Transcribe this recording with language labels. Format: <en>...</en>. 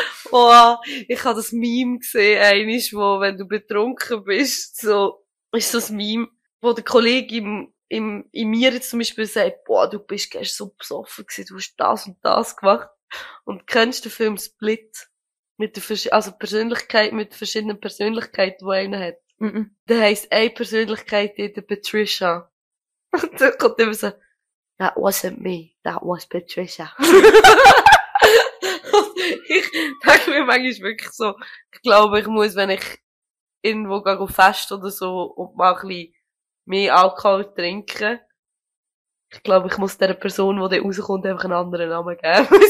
<de>Oh, ich habe das Meme gesehen, einmal, wo, wenn du betrunken bist, so, ist das Meme, wo der Kollege in mir jetzt zum Beispiel sagt, boah, du bist gestern so besoffen gewesen, du hast das und das gemacht. Und kennst du den Film Split? Mit der, also Persönlichkeit, mit verschiedenen Persönlichkeiten, die einer hat. Da heisst eine Persönlichkeit in der Patricia. Und dann kommt immer so,</de> <en>that wasn't me, that was Patricia.</en> <de>Ich denke mir manchmal wirklich so, ich glaube, ich muss, wenn ich irgendwo gehe, fest oder so, und mal ein bisschen mehr Alkohol trinken, ich glaube, ich muss der Person, die dann rauskommt, einfach einen anderen Namen geben.</de>